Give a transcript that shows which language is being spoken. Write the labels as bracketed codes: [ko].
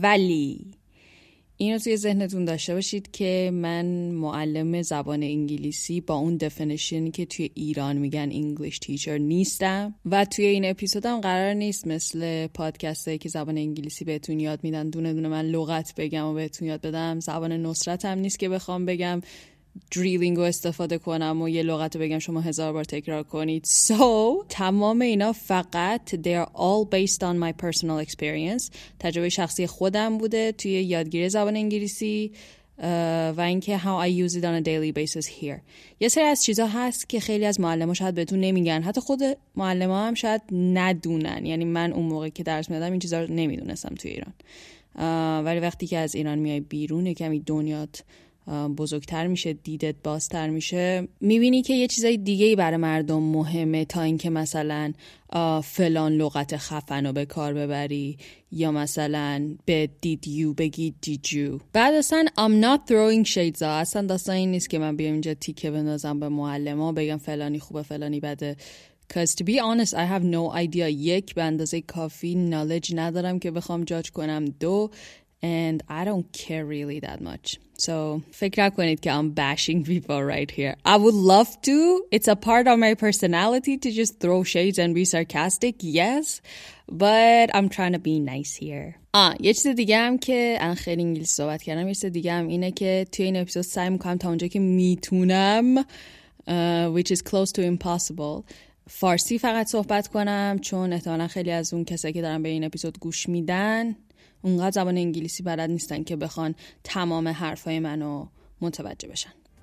[fa] ولی اینو توی ذهنتون داشته باشید که من معلم زبان انگلیسی با اون دفینیشنی که توی ایران میگن English teacher نیستم و توی این اپیزودم قرار نیست مثل پادکستی که زبان انگلیسی بهتون یاد میدن دونه دونه من لغت بگم و بهتون یاد بدم، زبان نصرتم نیست که بخوام بگم دریلینگ رو استفاده کنم و یه لغت رو بگم شما هزار بار تکرار کنید. [en] So [fa] تمام اینا فقط [en] they are all based on my personal experience، [fa] تجربه شخصی خودم بوده توی یادگیری زبان انگلیسی و اینکه [en] how I use it on a daily basis here. [fa] یه سری از چیزا هست که خیلی از معلم‌ها شاید بهتون نمیگن، حتی خود معلم‌ها هم شاید ندونن، یعنی من اون موقع که درس میدادم این چیزا رو نمیدونستم توی ایران، ولی وقتی که از ایران میای بیرون کمی دنیات بزرگتر میشه، دیدت بازتر میشه، میبینی که یه چیزای دیگه‌ای برای مردم مهمه تا اینکه مثلا فلان لغت خفن رو به کار ببری یا مثلا به did you بگی did you. بعد اصلا [en] I'm not throwing shades [fa] ها، اصلا داستان این نیست که من بیام اینجا تیکه بندازم به معلم ها بگم فلانی خوبه فلانی بده، [en] because to be honest I have no idea. [fa] یک، به اندازه کافی نالج ندارم که بخوام جاج کنم. [en] دو، and I don't care really that much. So [fa] فکر نکنید که [en] I'm bashing people right here. I would love to. It's a part of my personality to just throw shades and be sarcastic. Yes, but I'm trying to be nice here. [fa] یه چیز دیگه هم که الان خیلی انگلیسی صحبت کردم، یه چیز دیگه هم اینه که توی این اپیزود سعی میکنم تا اونجا که میتونم [en] which is close to impossible [fa] فارسی فقط صحبت کنم، چون احتمالا خیلی از اون کسایی که دارن به این اپیزود گوش میدن اونقدر زبان انگلیسی بلد نیستن که بخوان تمام حرفای منو متوجه بشن.